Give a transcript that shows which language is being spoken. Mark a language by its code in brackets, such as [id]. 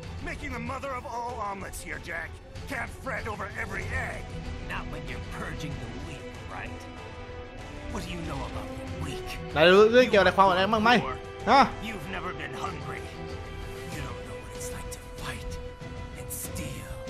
[en] Making the mother of all omelets here, Jack. Can't fret over every egg. Not when you're purging the weak, right? What do you know about the weak? [th] ไหนรู้เรื่องเกี่ยวกับความอะไรบ้างไหมฮะ [en] You've never been hungry. You don't know what it's like to fight and steal.